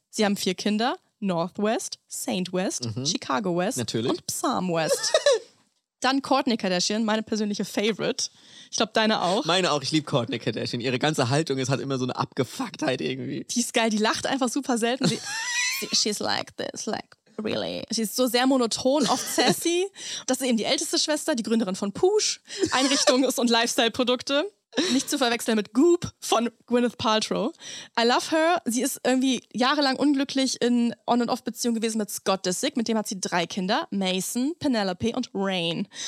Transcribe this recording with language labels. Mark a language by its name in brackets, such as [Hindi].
[German] Sie haben 4 Kinder, Northwest, Saint West, Chicago West natürlich. Und Psalm West. Dann Kourtney Kardashian, meine persönliche Favorite. Ich glaube, deine auch. Meine auch, ich liebe Kourtney Kardashian. Ihre ganze Haltung ist halt immer so eine Abgefucktheit irgendwie. Die ist geil, die lacht einfach super selten. [English] She's like this, like really. [German] Sie ist so sehr monoton, oft sassy. Das ist eben die älteste Schwester, die Gründerin von Pouche, Einrichtungs- und Lifestyle-Produkte. Nicht zu verwechseln mit Goop von Gwyneth Paltrow. [English] I love her. [German] Sie ist irgendwie jahrelang unglücklich in On-and-Off-Beziehung gewesen mit Scott Disick. Mit dem hat sie 3 Kinder. Mason, Penelope und Rain.